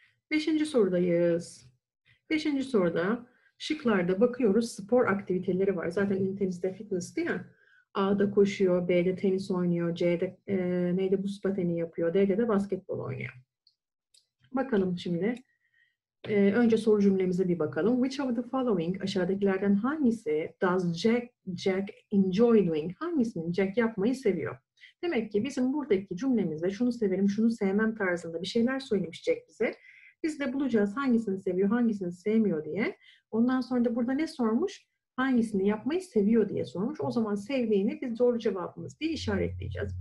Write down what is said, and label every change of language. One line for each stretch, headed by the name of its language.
Turkish: Beşinci sorudayız. Beşinci soruda şıklarda bakıyoruz. Spor aktiviteleri var. Zaten internette fitness'ti ya. A'da koşuyor, B'de tenis oynuyor, C'de neydi, buz pateni yapıyor, D'de de basketbol oynuyor. Bakalım şimdi. Önce soru cümlemize bir bakalım.
English: Which of the following,
Turkish: aşağıdakilerden hangisi
English: does Jack enjoy doing?
Turkish: Hangisini Jack yapmayı seviyor? Demek ki bizim buradaki cümlemizde şunu severim, şunu sevmem tarzında bir şeyler söylemiş Jack bize. Biz de bulacağız hangisini seviyor, hangisini sevmiyor diye. Ondan sonra da burada ne sormuş? Hangisini yapmayı seviyor diye sormuş. O zaman sevdiğini biz doğru cevabımız diye işaretleyeceğiz.